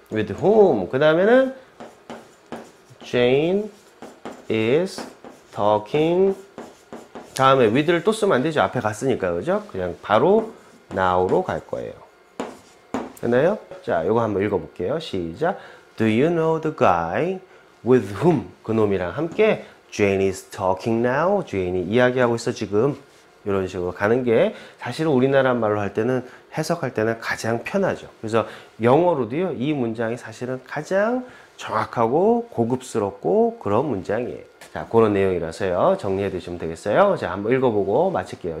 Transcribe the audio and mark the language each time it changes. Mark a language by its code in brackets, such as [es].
[ko] with whom 그 다음에는 [en] Jane is talking [ko] 다음에 with를 또 쓰면 안 되죠. 앞에 갔으니까 그죠? 그냥 바로 now로 갈 거예요. 됐나요? 자, 요거 한번 읽어볼게요. 시작. [en] Do you know the guy with whom [ko] 그놈이랑 함께 [en] Jane is talking now. [ko] Jane이 이야기하고 있어 지금. 이런 식으로 가는 게 사실 우리나라 말로 할 때는 해석할 때는 가장 편하죠. 그래서 영어로도요 이 문장이 사실은 가장 정확하고 고급스럽고 그런 문장이에요. 자, 그런 내용이라서요. 정리해 두시면 되겠어요. 자, 한번 읽어보고 마칠게요.